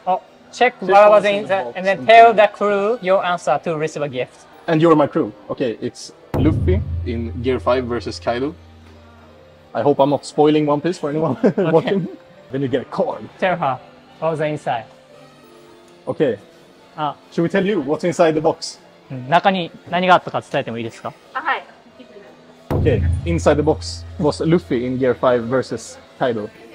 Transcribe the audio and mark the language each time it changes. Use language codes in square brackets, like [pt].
[en] Oh, check what was in the box, and then tell the crew your answer to receive a gift. And you're my crew. Okay, it's Luffy in Gear 5 versus Kaido. I hope I'm not spoiling One Piece for anyone watching. Then you get a card. Tell her what was inside. Okay. Should we tell you what's inside the box? [ja] 中に何があったか伝えてもいいですか？はい。 [en] Okay, inside the box was Luffy in Gear 5 versus Kaido.